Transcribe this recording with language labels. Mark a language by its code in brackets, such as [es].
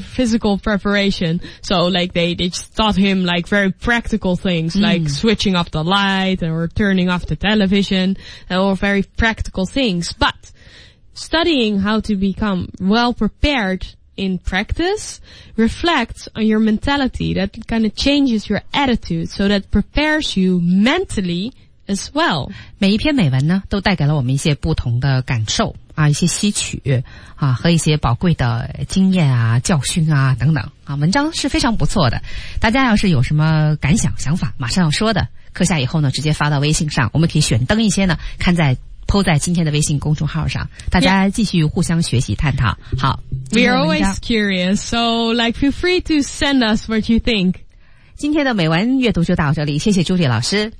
[en] Physical preparation. So like they just taught him like very practical things, like switching off the light or turning off the television, or very practical things. But... Studying how to become well prepared in practice reflects on your mentality that kind of changes your attitude so that prepares you mentally as well. [zh] 每一篇美文呢都带给了我们一些不同的感受啊，一些吸取啊，和一些宝贵的经验啊，教训啊等等啊，文章是非常不错的。大家要是有什么感想想法马上要说的课下以后呢直接发到微信上，我们可以选登一些呢看在PO 在今天的微信公众号上，大家继续互相学习探讨。好 [en] ，We are always curious, so like feel free to send us what you think. [zh] 今天的美文阅读就到这里，谢谢朱莉老师。